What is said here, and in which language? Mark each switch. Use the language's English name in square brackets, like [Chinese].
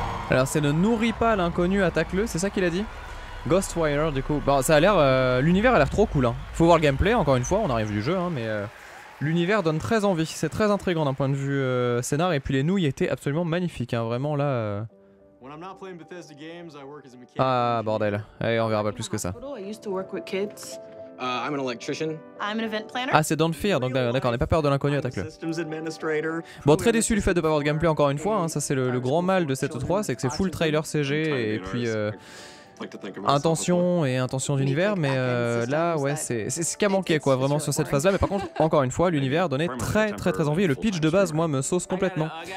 [French] Alors c'est ne nourris pas l'inconnu, attaque-le, c'est ça qu'il a dit ? Ghostwire du coup. Bon, ça a l'air. L'univers a l'air trop cool hein. Faut voir le gameplay, encore une fois, on arrive du jeu hein, mais l'univers donne très envie, c'est très intriguant d'un point de vue scénar, et puis les nouilles étaient absolument magnifiques hein, vraiment là. [English] When I'm not playing Bethesda games, I work as a mechanic. [French] Ah bordel, allez on verra pas plus que ça. [English] I'm an electrician. I'm an event planner. [French] Ah, c'est Don't Fear, donc d'accord, n'aie pas peur de l'inconnu, attaque-le. Bon, très déçu du fait de ne pas avoir de gameplay encore une fois, hein, ça c'est le grand mal de cette E3, c'est que c'est full trailer CG et puis intention d'univers, mais là, ouais, c'est ce qui a manqué quoi, vraiment sur cette phase-là. Mais par contre, encore une fois, l'univers donnait très très très envie et le pitch de base, moi, me sauce complètement.